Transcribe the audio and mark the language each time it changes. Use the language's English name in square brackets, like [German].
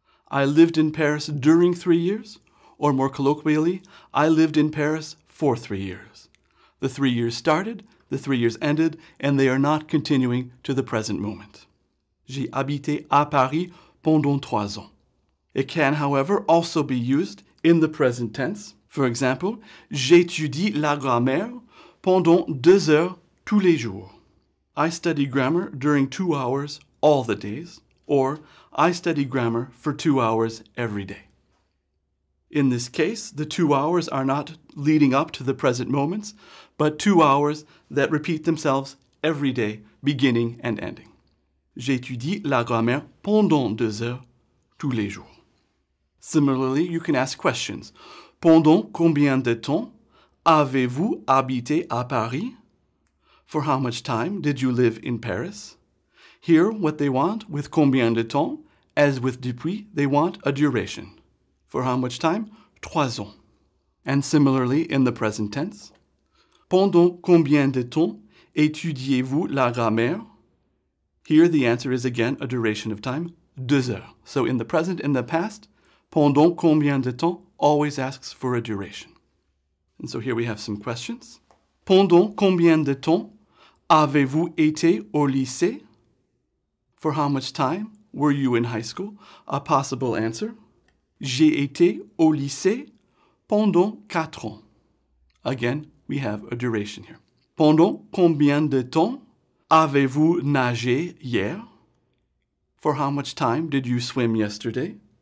[English] I lived in Paris during 3 years, or more colloquially, I lived in Paris for 3 years. The 3 years started, the 3 years ended, and they are not continuing to the present moment. [French] J'ai habité à Paris pendant 3 ans. [English] It can, however, also be used in the present tense. For example, [French] j'étudie la grammaire pendant 2 heures tous les jours. [English] I study grammar during 2 hours all the days. Or, I study grammar for 2 hours every day. In this case, the 2 hours are not leading up to the present moments, but 2 hours that repeat themselves every day, beginning and ending. [French] J'étudie la grammaire pendant 2 heures tous les jours. [English] Similarly, you can ask questions. [French] Pendant combien de temps avez-vous habité à Paris? [English] For how much time did you live in Paris? Here, what they want, with combien de temps, as with depuis, they want a duration. For how much time? 3 ans. And similarly, in the present tense. [French] Pendant combien de temps étudiez-vous la grammaire? [English] Here, the answer is again a duration of time, 2 heures. So in the present, in the past, [French] pendant combien de temps [English] always asks for a duration. And so here we have some questions. [French] Pendant combien de temps avez-vous été au lycée? [English] For how much time were you in high school? A possible answer. [French] J'ai été au lycée pendant 4 ans. [English] Again, we have a duration here. [French] Pendant combien de temps avez-vous nagé hier? [English] For how much time did you swim yesterday?